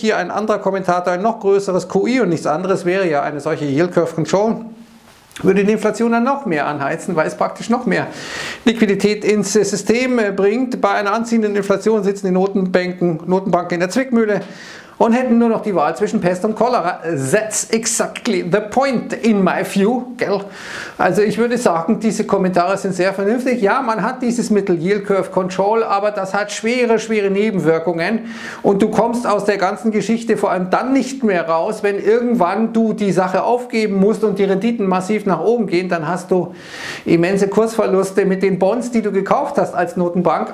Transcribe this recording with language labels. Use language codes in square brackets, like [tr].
[de] Hier ein anderer Kommentator, ein noch größeres QI und nichts anderes wäre ja eine solche Yield Curve Control. Würde die Inflation dann noch mehr anheizen, weil es praktisch noch mehr Liquidität ins System bringt. Bei einer anziehenden Inflation sitzen die Notenbanken in der Zwickmühle und hätten nur noch die Wahl zwischen Pest und Cholera. [en] That's exactly the point in my view, gell? [de] Also ich würde sagen, diese Kommentare sind sehr vernünftig. Ja, man hat dieses Mittel Yield Curve Control, aber das hat schwere, schwere Nebenwirkungen. Und du kommst aus der ganzen Geschichte vor allem dann nicht mehr raus, wenn irgendwann du die Sache aufgeben musst und die Renditen massiv nach oben gehen, dann hast du immense Kursverluste mit den Bonds, die du gekauft hast als Notenbank.